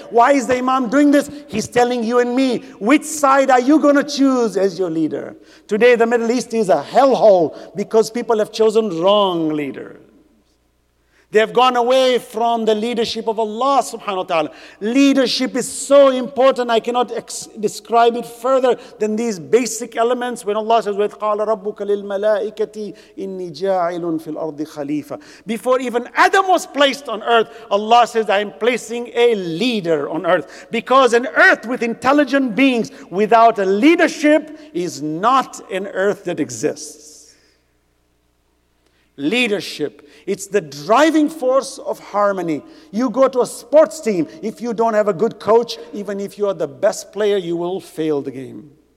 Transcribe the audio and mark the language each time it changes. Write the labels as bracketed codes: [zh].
[en] Why is the Imam doing this? He's telling you and me, which side are you going to choose as your leader? Today, the Middle East is a hellhole because people have chosen wrong leaders. They have gone away from the leadership of Allah subhanahu wa ta'ala. Leadership is so important. I cannot describe it further than these basic elements. When Allah says, [ar] وَقَالَ رَبُّكَ لِلْمَلَائِكَةِ إِنِّي جَاعِلٌ فِي الْأَرْضِ خَلِيفَةً. [en] Before even Adam was placed on earth, Allah says, I am placing a leader on earth. Because an earth with intelligent beings without a leadership is not an earth that exists. Leadership. It's the driving force of harmony. You go to a sports team, if you don't have a good coach, even if you are the best player, you will fail the game.